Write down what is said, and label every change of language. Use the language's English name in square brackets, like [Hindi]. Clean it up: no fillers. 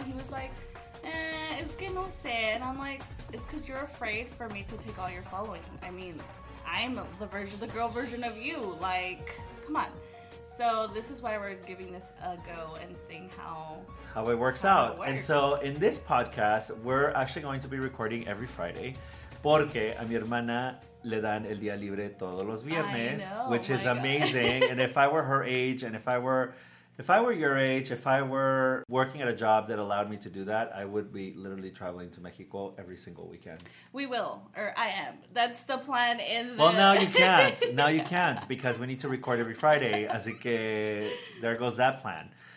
[English] And he was like, [Spanish] eh, es que no sé. [English] And I'm like, it's because you're afraid for me to take all your following. I mean, I'm the version, the girl version of you. Like, come on. So this is why we're giving this a go and seeing how it works out. And so in this podcast, we're actually going to be recording every Friday. [Spanish] Porque a mi hermana le dan el día libre todos los viernes. [English] Know, which is God. Amazing. And if I were her age, and if I were your age, if I were working at a job that allowed me to do that, I would be literally traveling to Mexico every single weekend. We will, or I am. That's the plan in the... Well, now you can't. Now you can't, because we need to record every Friday. [Spanish] Así que [English] there goes that plan.